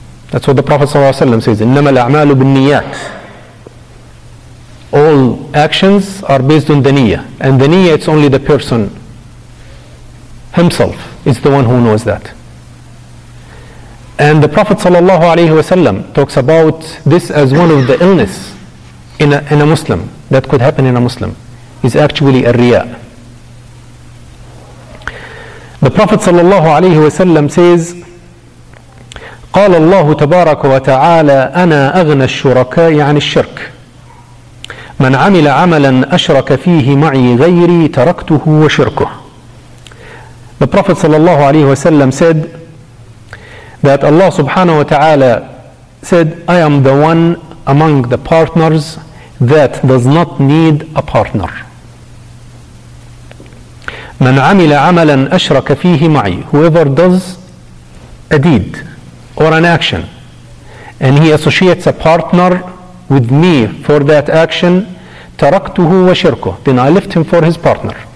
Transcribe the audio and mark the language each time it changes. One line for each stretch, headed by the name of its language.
English: That's what the Prophet sallallahu alayhi wa sallam says,
Arabic: إِنَّمَا الْأَعْمَالُ بِالنِّيَّاتِ.
English: All actions are based on the niyyah, and the niyyah, it's only the person himself is the one who knows that. And the Prophet sallallahu alayhi wa sallam talks about this as one of the illness in a Muslim, that could happen in a Muslim, is actually a riya. The Prophet sallallahu alayhi wa sallam says,
Arabic: قال الله تبارك وتعالى أنا أغنى الشركاء عن الشرك من عمل عملا أشرك فيه معي غيري تركته وشركه.
English: The Prophet sallallahu alayhi wa sallam said that Allah subhanahu wa ta'ala said, I am the one among the partners that does not need a partner.
Arabic: من عمل عملا أشرك فيه معي,
English: whoever does a deed or an action and he associates a partner with me for that action, taraktuhu wa shirkuh, then I left him for his partner.